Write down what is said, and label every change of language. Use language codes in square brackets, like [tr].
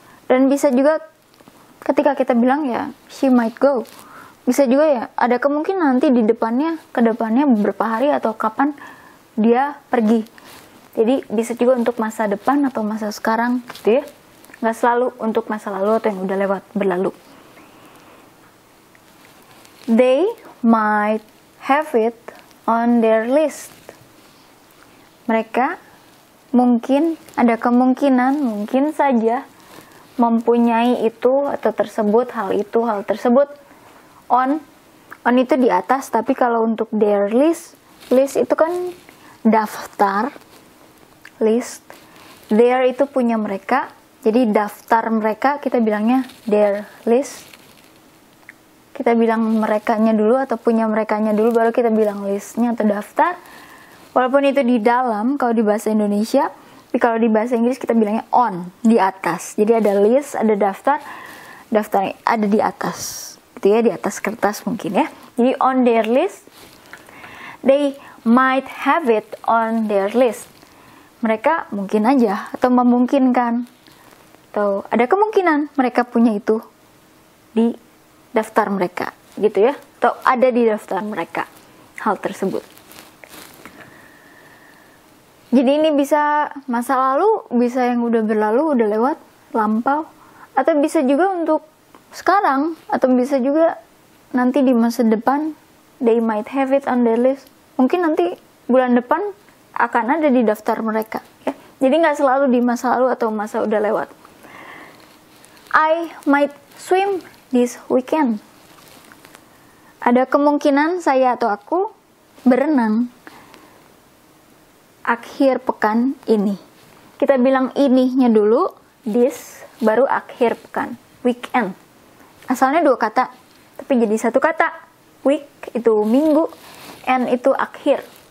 [id] Dan bisa juga ketika kita bilang ya, [en] she might go, [id] bisa juga ya, ada kemungkinan nanti di depannya, ke depannya beberapa hari atau kapan dia pergi. Jadi bisa juga untuk masa depan atau masa sekarang gitu ya. Gak selalu untuk masa lalu atau yang udah lewat, berlalu. [en] They might have it on their list. [id] Mereka mungkin, ada kemungkinan, mungkin saja mempunyai itu atau tersebut, hal itu, hal tersebut. On itu di atas, tapi kalau untuk their list, list itu kan daftar, list. Their itu punya mereka, jadi daftar mereka, kita bilangnya their list. Kita bilang merekanya dulu atau punya merekanya dulu, baru kita bilang listnya atau daftar. Walaupun itu di dalam kalau di bahasa Indonesia, tapi kalau di bahasa Inggris kita bilangnya on, di atas. Jadi ada list, ada daftar, daftar ada di atas gitu ya, di atas kertas mungkin ya. Jadi [en] on their list. they might have it on their list. [id] Mereka mungkin aja atau memungkinkan. Atau ada kemungkinan mereka punya itu di daftar mereka, gitu ya. Atau ada di daftar mereka hal tersebut. Jadi ini bisa masa lalu, bisa yang udah berlalu, udah lewat, lampau. Atau bisa juga untuk sekarang, atau bisa juga nanti di masa depan, [en] they might have it on their list. [id] Mungkin nanti bulan depan akan ada di daftar mereka. Ya. Jadi nggak selalu di masa lalu atau masa udah lewat. [en] I might swim this weekend. [id] Ada kemungkinan saya atau aku berenang akhir pekan ini. Kita bilang ininya dulu, this, baru akhir pekan, weekend. Asalnya dua kata, tapi jadi satu kata. Week itu minggu, and itu akhir.